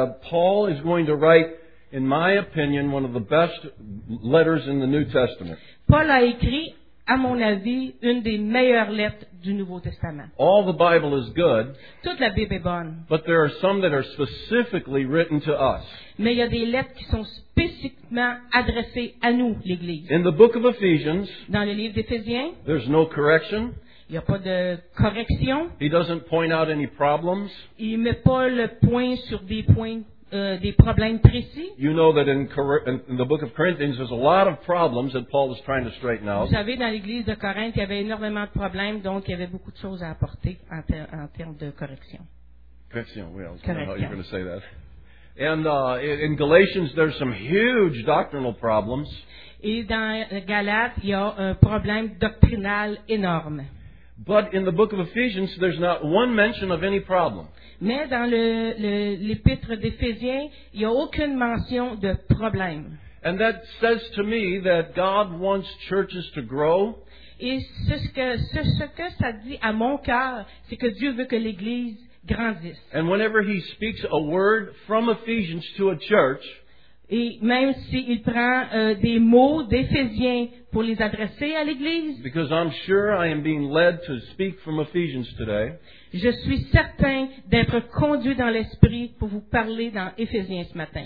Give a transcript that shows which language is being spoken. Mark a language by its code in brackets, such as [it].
[en] Paul is going to write, in my opinion, one of the best letters in the New Testament. [fr] Paul a écrit, à mon avis, une des meilleures lettres du Nouveau Testament. [en] All the Bible is good. [fr] Toute la Bible est bonne. [en] But there are some that are specifically written to us. [fr] Mais il y a des lettres qui sont spécifiquement adressées à nous, l'Église. [en] In the book of Ephesians, [fr] dans le livre d'Éphésiens, [en] there's no correction. [fr] Il n'y a pas de correction. [en] He doesn't point out any problems. [fr] Il ne met pas le point sur des points. Des problèmes précis. [en] You know that in the book of Corinthians, there's a lot of problems that Paul is trying to straighten out. [fr] Vous savez, dans l'église de Corinthe, il y avait énormément de problèmes, donc il y avait beaucoup de choses à apporter en termes de correction. Correction, oui. [en] Well, I don't know how you're going to say that. And in Galatians, there's some huge doctrinal problems. [fr] Et dans Galates, il y a un problème doctrinal énorme. [en] But in the book of Ephesians, there's not one mention of any problem. [fr] Mais dans l'épître d'Éphésiens, il n'y a aucune mention de problème. [en] And that says to me that God wants churches to grow. [fr] Et ce que ça dit à mon cœur, c'est que Dieu veut que l'Église grandisse. [en] And whenever he speaks a word from Ephesians to a church, [fr] et même s'il prend des mots d'Éphésiens pour les adresser à l'Église, [en] because I'm sure I am being led to speak from Ephesians today. [fr] Je suis certain d'être conduit dans l'Esprit pour vous parler dans Éphésiens ce matin.